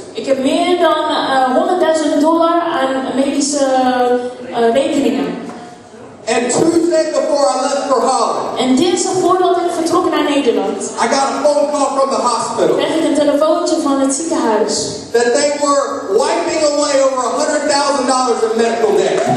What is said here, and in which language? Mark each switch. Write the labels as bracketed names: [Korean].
[Dutch] Ik heb meer dan $100,000 aan medische rekeningen. [English] And Tuesday before I left for Holland. [Dutch] En dinsdag voordat ik vertrok naar Nederland. [English] I got a phone call from the hospital. [Dutch] Kreeg ik een telefoontje van het ziekenhuis. [English] That they were wiping away over $100,000 in medical debt.